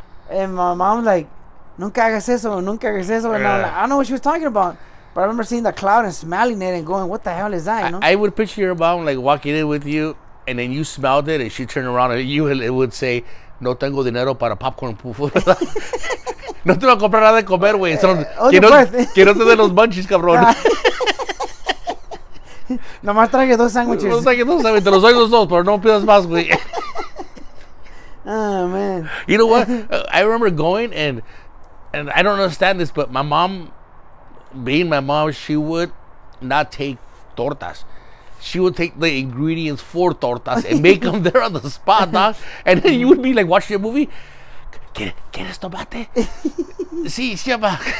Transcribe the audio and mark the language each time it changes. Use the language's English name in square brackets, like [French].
[English] And my mom was like, [Spanish] nunca hagas eso. [English] And I'm like, I don't know what she was talking about. But I remember seeing the cloud and smelling it and going, what the hell is that, you know? I would picture your mom like walking in with you, and then you smelled it, and she turned around, and you, it would say, [Spanish] no tengo dinero para popcorn. No te voy a comprar nada de comer, güey. Quiero te de los munchies, cabrón. Nomás traje dos sándwiches. No traje dos sándwiches, te los doy los dos, pero no pidas más, güey. [English] Oh, man. You know what? I remember going, and I don't understand this, but my mom, being my mom, she would not take tortas. She would take the ingredients for tortas and make them there on the spot, dog. And then you would be like watching a movie. [Spanish] ¿Quieres tomate? Sí, sí, ma.